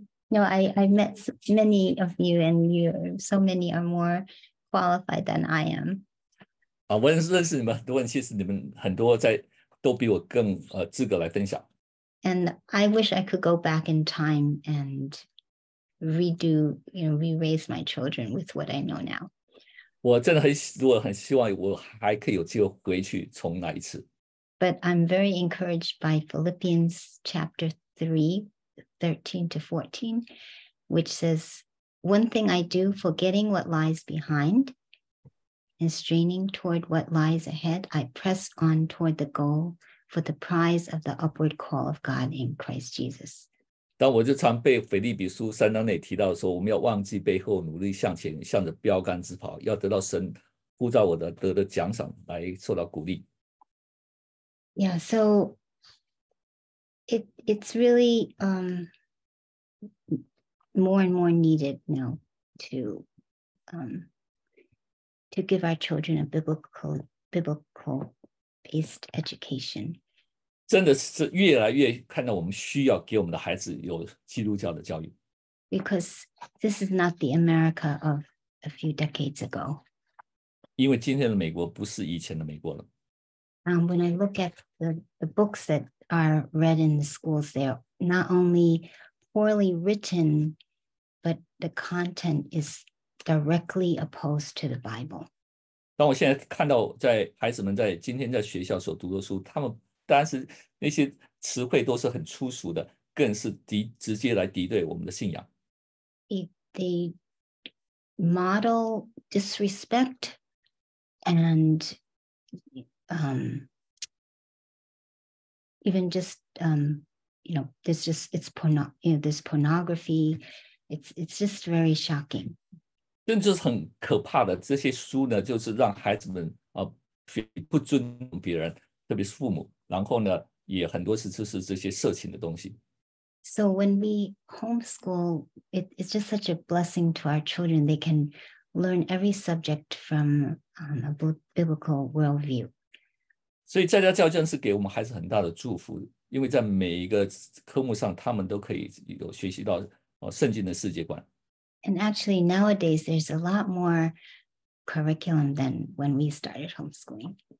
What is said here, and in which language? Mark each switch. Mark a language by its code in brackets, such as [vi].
[en] No, I met many of you, and you so many are more qualified than I am. [zh] 我认识你们很多人，其实你们很多在都比我更资格来分享。 [en] And I wish I could go back in time and redo, you know, re-raise my children with what I know now. [zh] 我真的很希望我还可以有机会回去重来一次。 [en] But I'm very encouraged by Philippians chapter 3:13-14, which says, "One thing I do, forgetting what lies behind and straining toward what lies ahead, I press on toward the goal for the prize of the upward call of God in Christ Jesus." [zh] 但我就常被腓立比书三章内提到说，我们要忘记背后，努力向前，向着标杆直跑，要得到神呼召我的得的奖赏，来受到鼓励。 [en] Yeah, so it's really more and more needed now to give our children a biblical based education. [zh] 真的是越来越看到我们需要给我们的孩子有基督教的教育。 [en] Because this is not the America of a few decades ago. [zh] 因为今天的美国不是以前的美国了。 [en] When I look at the books that are read in the schools, they're not only poorly written, but the content is directly opposed to the Bible. [zh] 当我现在看到在孩子们在今天在学校所读的书，他们当时那些词汇都是很粗俗的，更是直接来敌对我们的信仰。 [en] They model disrespect and even just you know, this just it's porno, you know, this pornography, it's just very shocking. [zh] 甚至是很可怕的，这些书呢，就是让孩子们啊，去不尊重别人，特别是父母，然后呢，也很多是就是这些色情的东西。 [en] So when we homeschool, it's just such a blessing to our children. They can learn every subject from a biblical worldview. [zh] 所以在家教真是给我们孩子很大的祝福，因为在每一个科目上，他们都可以有学习到哦圣经的世界观。 [en] And actually, nowadays there's a lot more curriculum than when we started homeschooling.